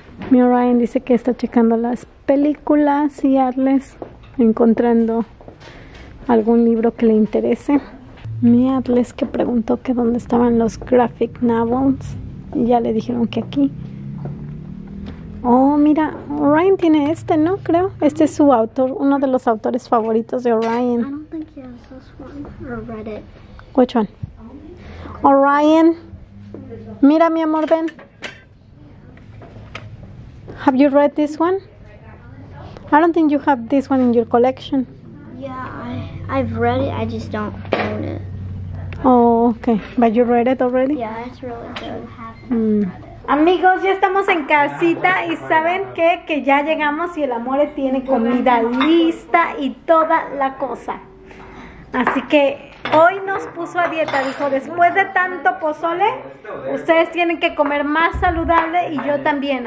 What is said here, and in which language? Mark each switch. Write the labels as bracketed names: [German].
[Spanish] Mi Orion dice que está checando las películas y Atlas encontrando algún libro que le interese. Mi Atlas que preguntó que dónde estaban los graphic novels. Y ya le dijeron que aquí. Oh, mira, Orion tiene este, ¿no? Creo. Este es su autor, uno de los autores favoritos de Orion. [English] I don't think he has this one or read it. Which one? [Spanish] Orion, mira, mi amor, ven. [English] Have you read this one? I don't think you have this one in your collection. Yeah, I've read it, I just don't own it. Oh, okay. But you read it already? Yeah, it's really good. [Spanish] Amigos, ya estamos en casita y ¿saben qué? Que ya llegamos y el amor tiene comida lista y toda la cosa. Así que hoy nos puso a dieta, dijo, después de tanto pozole, ustedes tienen que comer más saludable y yo también.